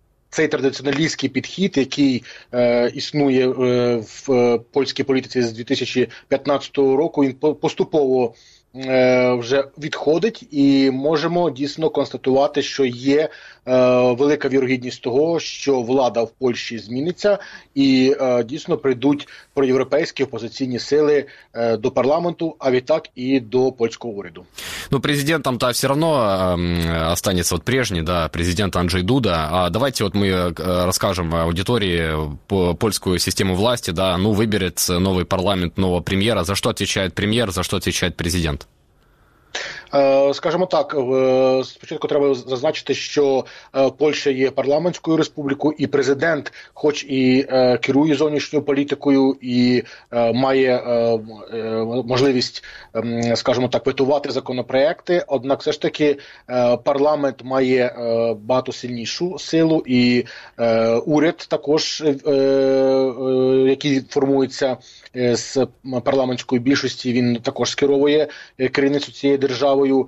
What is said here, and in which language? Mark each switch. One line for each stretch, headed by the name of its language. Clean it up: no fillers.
Ukrainian: цей традиціоналістський підхід, який існує в польській політиці з 2015 року, він поступово вже відходить, і можемо дійсно констатувати, що є велика вірогідність того, що влада в Польщі зміниться, і дійсно прийдуть проєвропейські опозиційні сили до парламенту, а відтак і до польського уряду.
Russian: Ну, президентом-то все равно останется вот прежний, да, президент Анджей Дуда. А давайте вот мы расскажем аудитории польскую систему власти, да, ну, выберет новый парламент, нового премьера. За что отвечает премьер, за что отвечает президент?
Ukrainian: Скажімо так, спочатку треба зазначити, що Польща є парламентською республікою, і президент хоч і керує зовнішньою політикою і має можливість, скажімо так, ветувати законопроекти, однак все ж таки парламент має багато сильнішу силу, і уряд також, який формується з парламентської більшості, він також скеровує керівництво цією державою.